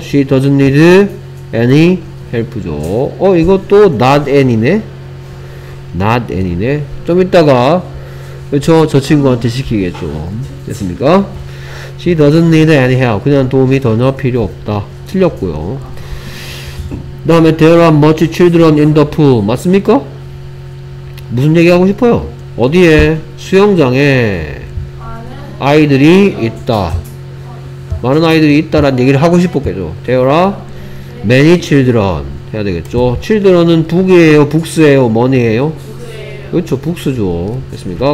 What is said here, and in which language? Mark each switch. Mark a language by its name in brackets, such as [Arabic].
[English] she doesn't need any help죠. [Korean] 어, 이것도 not any네. not any네. 좀 이따가 그렇죠. 저 친구한테 시키겠죠. 됐습니까? [English] She doesn't need any help. [Korean] 그냥 도움이 전혀 필요 없다. 틀렸고요. 그 다음에 [English] There are much children in the pool. [Korean] 맞습니까? 무슨 얘기하고 싶어요? 어디에? 수영장에 아이들이 있다. 많은 아이들이 있다라는 얘기를 하고 싶었겠죠. [English] There are many children [Korean] 해야 되겠죠. Children은 북이에요? 북스에요? 머니에요? 그렇죠. 북스죠. 됐습니까?